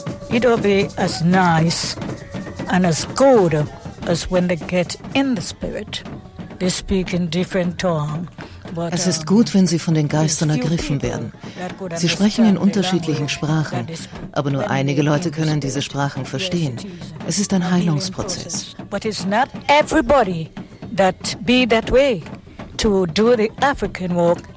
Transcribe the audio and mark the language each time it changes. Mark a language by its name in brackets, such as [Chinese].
[English] It'll be as nice and as good as when they get in the spirit. They speak in different tongues. [German] Es ist gut, wenn sie von den Geistern ergriffen werden. Sie sprechen in unterschiedlichen Sprachen, aber nur einige Leute können diese Sprachen verstehen. Es ist ein Heilungsprozess. [English] But it's not everybody that be that way to do the African walk.